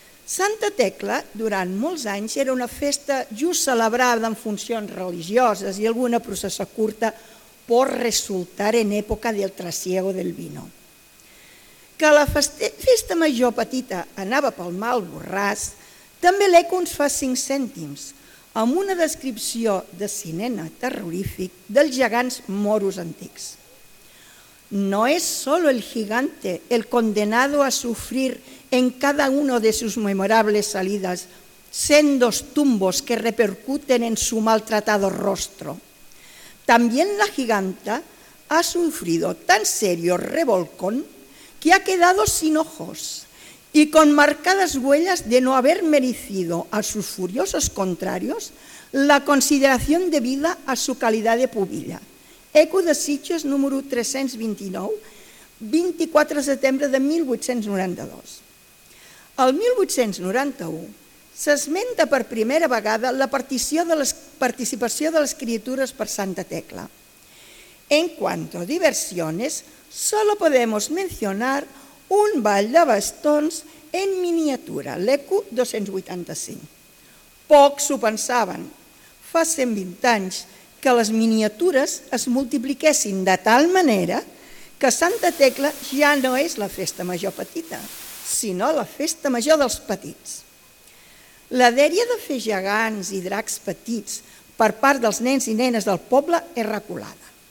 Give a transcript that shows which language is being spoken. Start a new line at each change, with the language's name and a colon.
Catalan: Santa Tecla, durant molts anys, era una festa just celebrada en funcions religioses i alguna processó curta pot resultar en època
Spanish: del trasiego del vino.
Catalan: Que la festa major petita anava pel mal borràs, també l'eco ens fa cinc cèntims, amb una descripció de cinema terrorífic dels gegants moros antics.
Spanish: No es solo el gigante el condenado a sufrir en cada uno de sus memorables salidas sendos tumbos que repercuten en su maltratado rostro. También la giganta ha sufrido tan serio revolcón que ha quedado sin ojos y con marcadas huellas de no haber merecido a sus furiosos contrarios la consideración debida a su calidad de pubilla.
Catalan: Eco de Sitges, número 329, 24 de setembre de 1892. El 1891 s'esmenta per primera vegada la participació de les criatures per Santa Tecla.
Spanish: En cuanto a diversiones, solo podemos mencionar un ball de bastons en miniatura, l'Eco 285.
Catalan: Pocs ho pensaven. Fa 120 anys que les miniatures es multipliquessin de tal manera que Santa Tecla ja no és la festa major petita, sinó la festa major dels petits. La dèria de fer gegants i dracs petits per part dels nens i nenes del poble és reculada.